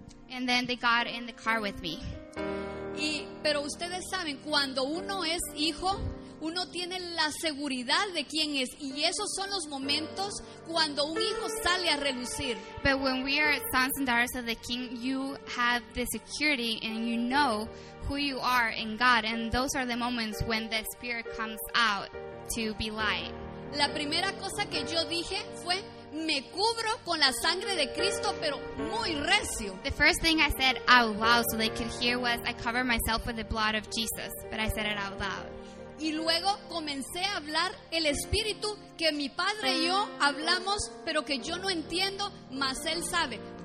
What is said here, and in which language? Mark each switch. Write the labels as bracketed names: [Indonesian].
[English] And then they got in the car with me. [Spanish] Pero ustedes saben, cuando uno es hijo, uno tiene la seguridad de quién es, y esos son los momentos cuando un hijo sale a relucir. [English] But when we are sons and daughters of the King, you have the security and you know who you are in God, and those are the moments when the Spirit comes out to be light. [Spanish] La primera cosa que yo dije fue, me cubro con la sangre de Cristo, pero muy recio. [English] The first thing I said out loud so they could hear was, I cover myself with the blood of Jesus, but I said it out loud. [Spanish] Y luego comencé a hablar el espíritu que mi padre y yo hablamos, pero que yo no entiendo, mas él sabe.